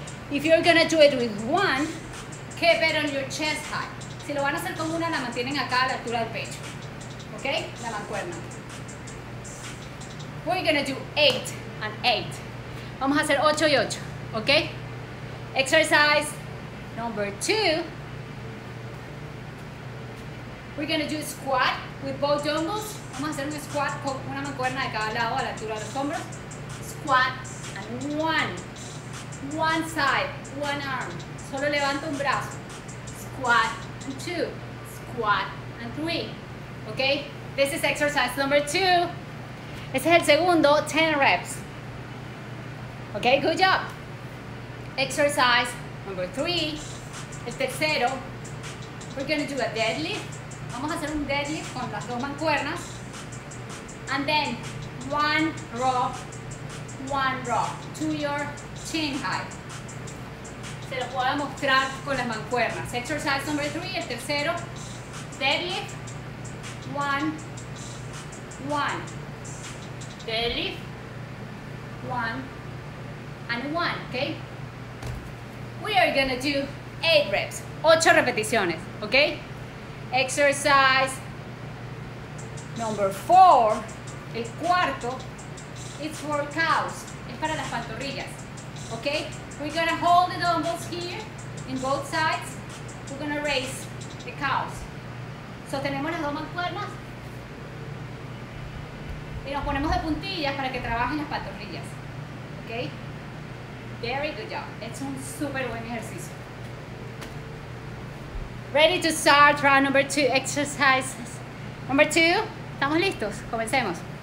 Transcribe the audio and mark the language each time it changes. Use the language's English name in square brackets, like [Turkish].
[English] If you're gonna do it with one, keep it on your chest high. [Spanish] Si lo van a hacer con una, la mantienen acá a la altura del pecho. Okay? La mancuerna. [English] We're gonna do eight and eight. [Spanish] Vamos a hacer 8 y 8, ¿ok? [English] Exercise number 2. We're gonna do squat with both dumbbells. [Spanish] Vamos a hacer un squat con una mancuerna de cada lado a la altura de los hombros. [English] Squat and one side, one arm. [Spanish] Solo levanto un brazo. [English] Squat and two, squat and three. ¿Ok? This is exercise number 2. [Spanish] Este es el segundo, [English] 10 reps. Okay, good job. Exercise number 3. [Spanish] El tercero, [English] we're gonna do a deadlift. [Spanish] Vamos a hacer un deadlift con las dos mancuernas. [English] And then, one row, to your chin height. [Spanish] Se lo voy a mostrar con las mancuernas. [English] Exercise number 3, [Spanish] el tercero, [English] deadlift, one, deadlift, one, and one, okay? We are gonna do 8 reps, [Spanish] 8 repeticiones, [English] okay? Exercise number 4, [Spanish] el cuarto, [English] it's for calves, [Spanish] es para las pantorrillas, [English] okay? We're gonna hold the dumbbells here, in both sides, we're gonna raise the calves. [Spanish] Sostenemos las dos mancuernas y nos ponemos de puntillas para que trabajen las pantorrillas, okay? [English] Very good job. It's [Spanish] un super buen ejercicio. [English] Ready to start round number 2 exercises. Number 2, [Spanish] estamos listos, comencemos.